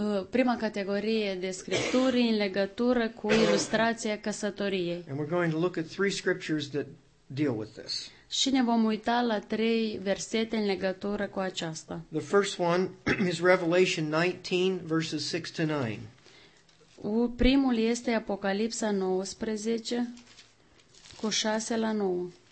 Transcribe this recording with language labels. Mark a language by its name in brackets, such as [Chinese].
[Romanian] Prima categorie de scripturi în legătură cu ilustrația căsătoriei. [English] And we're going to look at three scriptures that deal with this. [Romanian] Și ne vom uita la trei versete în legătură cu aceasta. [English] The first one is Revelation 19, verses 6 to 9. [Romanian] Primul este Apocalipsa 19, cu 6 la 9.